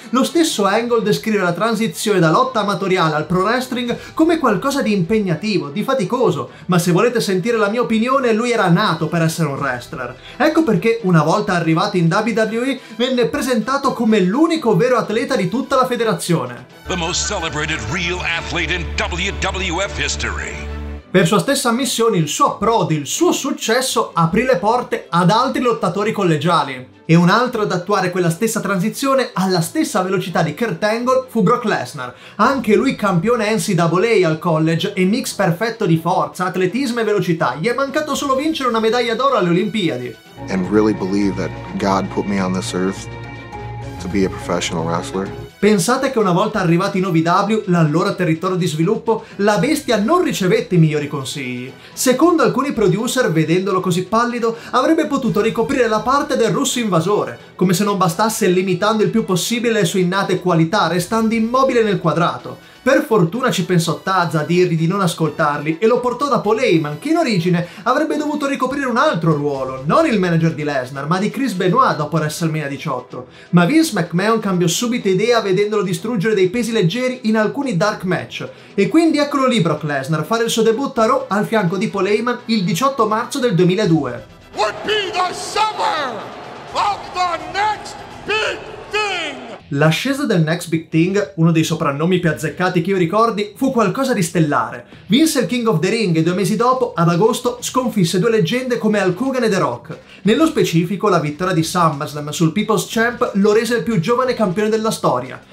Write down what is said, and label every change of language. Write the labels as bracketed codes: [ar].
[it] Lo stesso Angle descrive la transizione da lotta amatoriale al pro wrestling come qualcosa di impegnativo, di faticoso, ma se volete sentire la mia opinione, lui era nato per essere un wrestler. Ecco perché una volta arrivato in WWE venne presentato come l'unico vero atleta di tutta la federazione. [en] The most celebrated real athlete in WWF history. [it] Per sua stessa ammissione, il suo approdo, il suo successo aprì le porte ad altri lottatori collegiali. E un altro ad attuare quella stessa transizione alla stessa velocità di Kurt Angle fu Brock Lesnar, anche lui campione NCAA al college e mix perfetto di forza, atletismo e velocità. Gli è mancato solo vincere una medaglia d'oro alle Olimpiadi. [en] And really believe that God put me on this earth to be a professional wrestler. [it] Pensate che una volta arrivati in OVW, l'allora territorio di sviluppo, la bestia non ricevette i migliori consigli. Secondo alcuni producer, vedendolo così pallido, avrebbe potuto ricoprire la parte del russo invasore, come se non bastasse limitando il più possibile le sue innate qualità, restando immobile nel quadrato. Per fortuna ci pensò Taz a dirgli di non ascoltarli e lo portò da Paul Heyman, che in origine avrebbe dovuto ricoprire un altro ruolo, non il manager di Lesnar, ma di Chris Benoit dopo WrestleMania 18. Ma Vince McMahon cambiò subito idea vedendolo distruggere dei pesi leggeri in alcuni dark match. E quindi eccolo lì Brock Lesnar fare il suo debutto a Raw al fianco di Paul Heyman il 18 marzo del 2002. [en] Would be the summer of the next big thing. [it] L'ascesa del Next Big Thing, uno dei soprannomi più azzeccati che io ricordi, fu qualcosa di stellare. Vinse il King of the Ring e due mesi dopo, ad agosto, sconfisse due leggende come Hulk Hogan e The Rock. Nello specifico, la vittoria di SummerSlam sul People's Champ lo rese il più giovane campione della storia.